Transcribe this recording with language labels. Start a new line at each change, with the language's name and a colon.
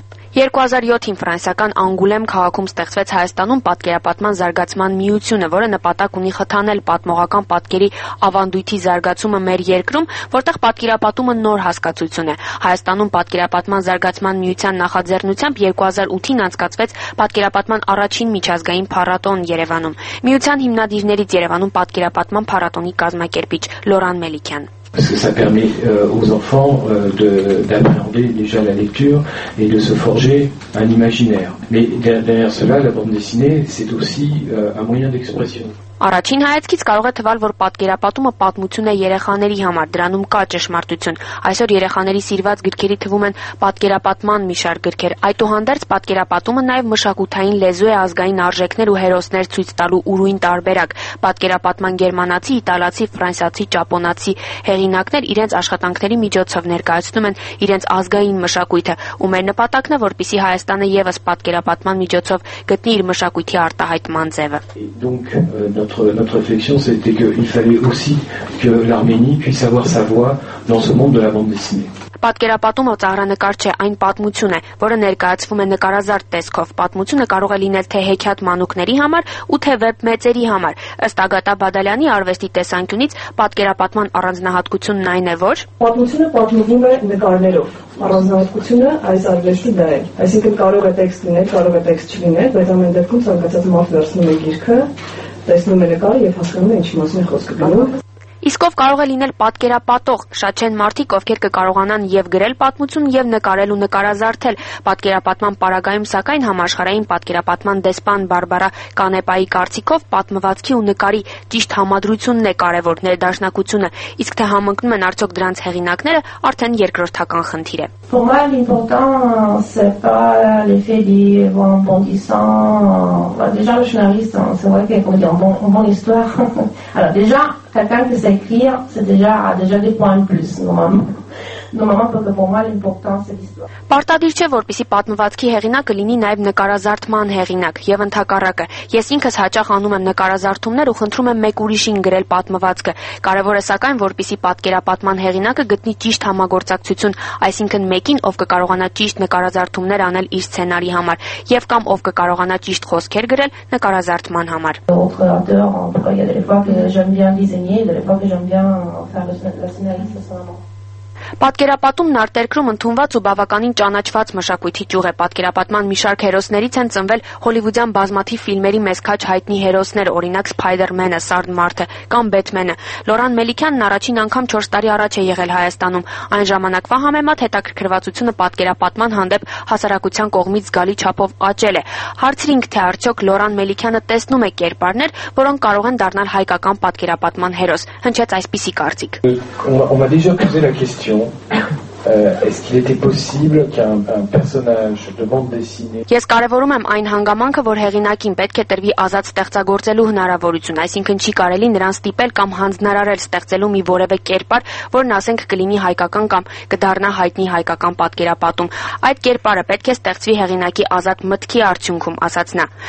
Armenian: 2007-ին ֆրանսիական Անգուլեմ քաղաքում ստեղծվեց Հայաստանում պատկերապատման զարգացման միությունը, որը նպատակ ունի խթանել պատմողական պատկերի ավանդույթի զարգացումը մեր երկրում, որտեղ պատկերապատումը նոր հասկացություն է։ Հայաստանում պատկերապատման զարգացման միության նախաձեռնությամբ 2008-ին անցկացվեց պատկերապատման առաջին միջազգային փառատոն Երևանում։ Միության հիմնադիրներից Երևանում պատկերապատման փառատոնի կազմակերպիչ Լորան Մելիքյան։
French: Parce que ça permet aux enfants d'appréhender déjà la lecture et de se forger un imaginaire. Mais derrière cela, la bande dessinée, c'est aussi un moyen d'expression.
Armenian: Առաջին հայացքից կարող է թվալ, որ պատկերապատումը պատմություն է երեխաների համար, դրանում կա ճշմարտություն։ Այսօր երեխաների սիրված գրքերի թվում են պատկերապատման մի շարք գրքեր։ Այդուհանդերձ պատկերապատումը նաև մշակութային լեզու է, ազգային արժեքներ ու հերոսներ ցույց տալու ուրույն տարբերակ։ Պատկերապատման գերմանացի, իտալացի, ֆրանսիացի, ճապոնացի հեղինակներ իրենց աշխատանքների միջոցով ներկայացնում են իրենց ազգային մշակույթը, ու մեր նպատակն է, որպեսզի Հայաստանը եւս պատկերապատման միջոցով գտնի իր մշակույթի արտահայտման ձևը։
French: Notre réflexion, c'était qu'il fallait aussi que l'Arménie puisse avoir sa voix dans ce monde de la bande dessinée.
Armenian: Պատկերապատումը ծաղրանկար չէ, այն պատմություն է, որը ներկայացվում է նկարազարդ տեսքով։ Պատմությունը կարող է լինել թե հեքիաթ մանուկների համար, ու թե վեբ մեծերի համար։ Ըստ Ագատա Բադալյանի արվեստի տեսանկյունից, պատկերապատման առանձնահատկությունն այն է, որ պատմությունը պատմվում է նկարներով։ Առանձնահատկությունը այս արվեստի դա է։ Այսինքն կարող է տեքստ լինել, կարող է տեքստ չլինել, բայց ամեն դեպքում ցանկացած մարդ վերցնում է գիրքը, տեսնում է նկարը եւ հասկանում է ինչի մասին է խոսքը գնում։ Իսկ ով կարող է լինել պատկերապատող, շատ չեն մարդիկ, ովքեր կկարողանան և գրել պատմություն, և նկարել ու նկարազարդել։ Պատկերապատման պարագայում, սակայն, համաշխարհային պատկերապատման դեսպան Բարբարա Կանեպայի կարծիքով, պատմվածքի ու նկարի ճիշտ համադրությունն է կարևոր, ներդաշնակությունը, իսկ թե համընկնում են արդյոք դրանց հեղինակները, արդեն երկրորդական խնդիր է։
French: Pour moi, l'important, c'est pas l'effet des bons bondissants. Bah, déjà, le scénariste, hein, c'est vrai qu'il faut dire bon histoire. Alors, déjà, quelqu'un qui sait écrire, c'est déjà des points de plus, normalement.
Armenian: Պարտադիր չէ, որպեսի պատմվածքի հեղինակը լինի նաև նկարազարդման հեղինակ եւ ընդհակառակը։ Ես ինքս հաճախ անում եմ նկարազարդումներ ու խնդրում եմ մեկ ուրիշին գրել պատմվածքը։ Կարևոր է, սակայն, որպեսի պատկերապատման հեղինակը գտնի ճիշտ համագործակցություն, այսինքն մեկին, ով կկարողանա ճիշտ նկարազարդումներ անել իր սցենարի համար, եւ կամ ով կկարողանա ճիշտ խոսքեր գրել նկարազարդման համար։ Պատկերապատումն արտերկրում ընդունված ու բավականին ճանաչված մշակույթի ճյուղ է։ Պատկերապատման մի շարք հերոսներից են ծնվել հոլիվուդյան բազմաթիվ ֆիլմերի մեզքաչ հայտնի հերոսներ, օրինակ Սփայդերմենը, Սարդմարթը կամ Բեթմենը։ Լորան Մելիքյանն առաջին անգամ 4 տարի առաջ է եղել Հայաստանում։ Այն ժամանակվա համեմատ հետաքրքրվածությունը պատկերապատման հանդեպ հասարակության կողմից զգալի չափով աճել է։ Հարցրինք, թե արդյոք Լորան Մելիքյանը տեսնում է կերպարներ, որոնք կարող են դառնալ հայկական պատկերապատման հերոս։ Հնչեց այսպիսի կարծիք.
French: Est-ce qu'il était possible qu'un personnage de bande dessinée.
Armenian: Ես կարևորում եմ այն հանգամանքը, որ հեղինակին պետք է տրվի ազատ ստեղծագործելու հնարավորություն, այսինքն չի կարելի նրան ստիպել կամ հանձնարարել ստեղծելու մի որևէ կերպար, որն ասենք կլինի հայկական կամ կդառնա հայտնի հայկական պատկերապատում։ Այդ կերպարը պետք է ստեղծվի հեղինակի ազատ մտքի արդյունքում, ասաց նա։